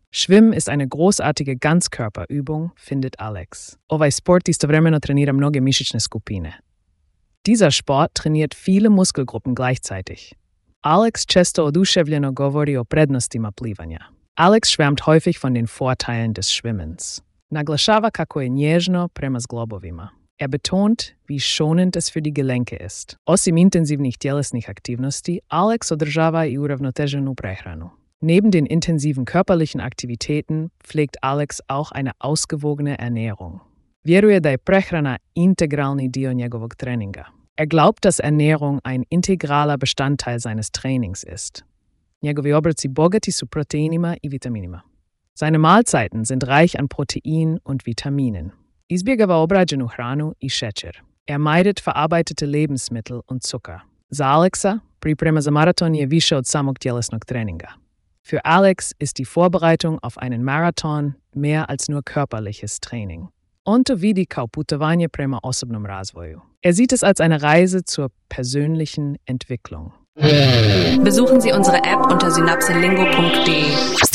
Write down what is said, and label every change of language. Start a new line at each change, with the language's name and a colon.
German: Schwimmen ist eine großartige Ganzkörperübung, findet Alex.
Croatian: Ovaj sport istovremeno trenira mnoge mišićne skupine.
German: Dieser Sport trainiert viele Muskelgruppen gleichzeitig.
Croatian: Alex često oduševljeno govori o prednostima plivanja.
German: Alex schwärmt häufig von den Vorteilen des Schwimmens.
Croatian: Naglašava kako je nježno prema zglobovima.
German: Er betont, wie schonend es für die Gelenke ist.
Croatian: Osim intenzivnih tjelesnih aktivnosti, Alex održava i uravnoteženu prehranu.
German: Neben den intensiven körperlichen Aktivitäten pflegt Alex auch eine ausgewogene Ernährung.
Croatian: Vjeruje da je prehrana integralni dio njegovog treninga.
German: Er glaubt, dass Ernährung ein integraler Bestandteil seines Trainings ist.
Croatian: Njegovi obroci bogati su proteinima i vitaminima.
German: Seine Mahlzeiten sind reich an Protein und Vitaminen.
Croatian: Izbjegava obrađenu hranu i šećer.
German: Er meidet verarbeitete Lebensmittel und Zucker.
Croatian: Za Alexa, priprema za maraton je više od samog tjelesnog treninga.
German: Für Alex ist die Vorbereitung auf einen Marathon mehr als nur körperliches Training.
Croatian: On to vidi kao putovanje prema osobnom razvoju.
German: Er sieht es als eine Reise zur persönlichen Entwicklung. Besuchen Sie unsere App unter synapselingo.de.